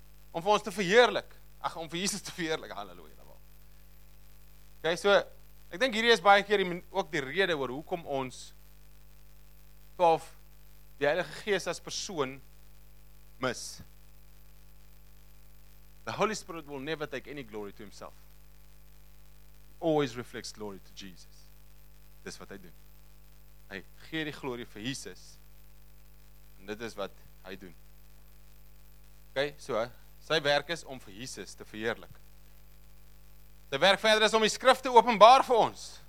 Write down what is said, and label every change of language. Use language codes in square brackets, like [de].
[af] Om vir ons te verheerlik. Ag, om vir Jesus te verheerlik, halleluja, daarbo. Okay, so, ek dink hierdie is baie keer ook die rede oor hoekom ons of die Heilige Gees as persoon mis. [en] The Holy Spirit will never take any glory to himself. He always reflects glory to Jesus. [af] Dis wat hy doen. Hy gee die glorie vir Jesus. En dit is wat hy doen. Okay, so, sy werk is om vir Jesus te verheerlik. Sy werk verder is om die skrif te openbaar vir ons.